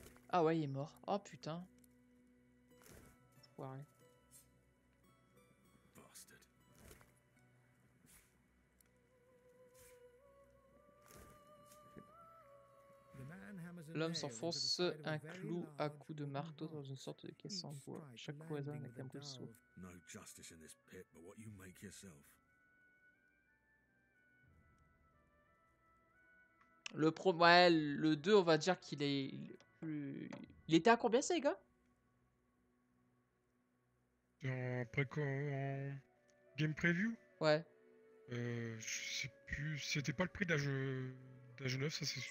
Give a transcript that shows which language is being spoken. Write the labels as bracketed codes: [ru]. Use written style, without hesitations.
[fr] Ah ouais, il est mort. Oh putain. Foiré. [en] Bastard. [fr] L'homme s'enfonce un clou à coups de marteau dans une sorte de caisse en bois. Chaque coup résonne avec un bruit sourd. [en] No justice in this pit, but what you make yourself. [fr] Le pro, ouais, le 2, on va dire qu'il est plus. Il était à combien, ces gars? Après quoi, game preview? Ouais. Je sais plus, c'était pas le prix d'âge 9, ça c'est sûr.